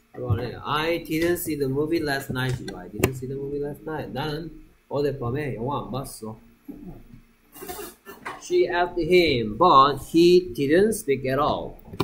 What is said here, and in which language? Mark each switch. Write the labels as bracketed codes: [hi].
[ko] 그러면 [en] I didn't see the movie last night. I didn't see the movie last night. [ko] 나는 어젯밤에 영화 안 봤어. [en] She asked him, but he didn't speak at all.